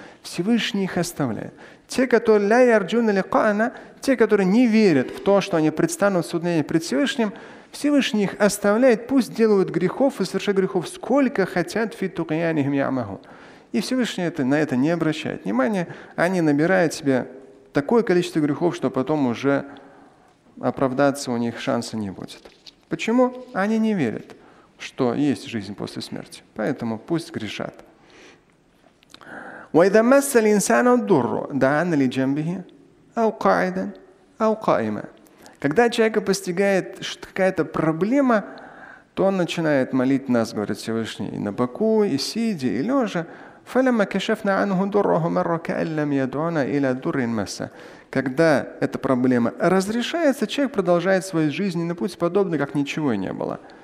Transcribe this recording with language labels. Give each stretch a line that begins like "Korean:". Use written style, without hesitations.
Russian: Всевышний их оставляет. Те, которые
Arabic: ля ярджуна ля каана,
Russian: те, которые не верят в то, что они предстанут в суд пред Всевышним, Всевышний их оставляет, пусть делают грехов и совершают грехов, сколько хотят,
Arabic: фитукаяни гмьямаху.
Russian: И Всевышний на это не обращает внимания, они набирают себе такое количество грехов, что потом уже оправдаться у них шанса не будет. Почему? Они не верят, что есть жизнь после смерти. Поэтому пусть грешат.
Arabic: وإذا مس الإنسان الضر دعانا لجنبه أو قاعدا أو قائما.
Russian: Когда человека постигает какая-то проблема, то он начинает молить нас, говорит Всевышний, и на боку, и сидя, и лежа.
Arabic: فلما كشفنا عنه ضره مرة كأن لم يدعنا إلى ضر مس.
Russian: Когда эта проблема разрешается, человек продолжает свой жизненный путь подобно, как ничего и не было.